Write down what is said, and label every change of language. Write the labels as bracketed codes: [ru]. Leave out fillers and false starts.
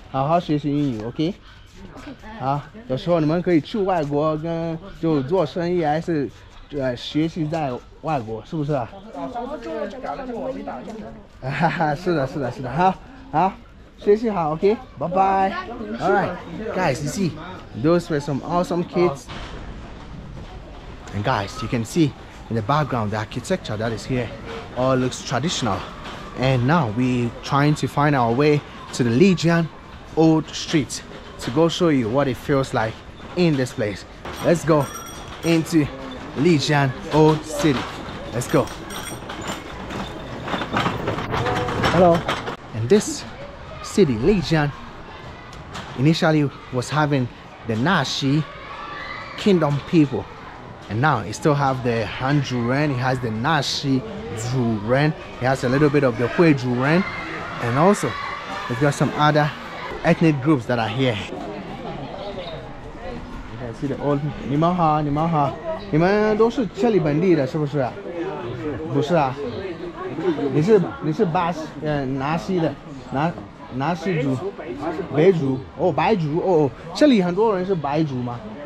[zh] 好好学习英语 ，OK。好，有时候你们可以去外国跟就做生意，还是学习在外国，是不是？哈哈，是的，好，学习好 ，OK， 拜拜。 [en] All right, guys, you see, those were some awesome kids. And guys, you can see in the background the architecture that is here, all looks traditional. And now we trying to find our way to the Lijiang Old Street. To go show you what it feels like in this place. Let's go into Lijiang Old City. Let's go. Hello. And this city, Lijiang, initially was having the Naxi Kingdom people. And now it still have the Han Zhuren. It has the Naxi Zhuren. It has a little bit of the Hui Zhuren. And also, it's got some other ethnic groups that are here. [zh] 是的，你们好，你们好，你们都是这里本地的，是不是？不是啊，你是巴西，纳西的，纳西族，白族，哦，白族，哦，这里很多人是白族吗？